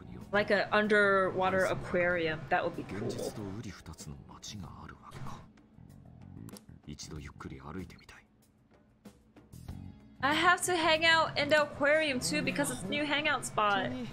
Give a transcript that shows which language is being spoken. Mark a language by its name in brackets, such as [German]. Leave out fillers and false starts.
[English] Like an underwater aquarium, that would be cool. [Japanese] 現実と瓜二つの町があるわけか。一度ゆっくり歩いてみたい。 [English] I have to hang out in the aquarium too because it's a new hangout spot.